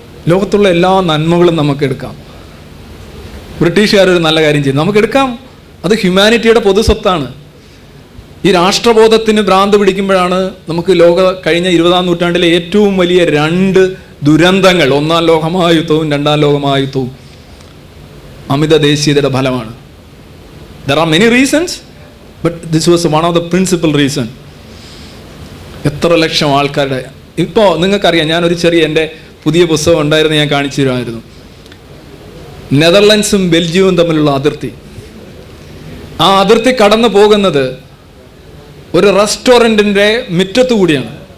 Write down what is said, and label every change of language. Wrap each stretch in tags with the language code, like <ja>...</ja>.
<ml>ലോകത്തുള്ള എല്ലാ നന്മകളും നമുക്കെടുക്കാം. ബ്രിട്ടീഷുകാരൊരു നല്ല കാര്യം ചെയ്യും, നമുക്കെടുക്കാം, അത് ഹ്യൂമാനിറ്റിയുടെ പൊതുസ്വത്താണ്. ഈ രാഷ്ട്രബോധത്തിന് ഭ്രാന്ത് പിടിക്കുമ്പോഴാണ് നമുക്ക് ലോക കഴിഞ്ഞ 20-ാം നൂറ്റാണ്ടിലെ ഏറ്റവും വലിയ രണ്ട് ദുരന്തങ്ങൾ, 1-ാം ലോകമഹായുദ്ധവും 2-ാം ലോകമഹായുദ്ധവും അമിത ദേശീയതയുടെ ഫലമാണ്.</ml> <en>There are many reasons, but this was one of the principal reason.</en> <ml>എത്ര ലക്ഷം ആൾക്കാരുടെ, ഇപ്പോൾ നിങ്ങൾക്കറിയാം, ഞാനൊരു ചെറിയ എൻ്റെ പുതിയ പുസ്തകം ഉണ്ടായിരുന്നു, ഞാൻ കാണിച്ചു തരുമായിരുന്നു. നെതർലൻഡ്സും ബെൽജിയവും തമ്മിലുള്ള അതിർത്തി, ആ അതിർത്തി കടന്നു പോകുന്നത് ഒരു റെസ്റ്റോറൻറ്റിൻ്റെ മുറ്റത്തു കൂടിയാണ്.</ml>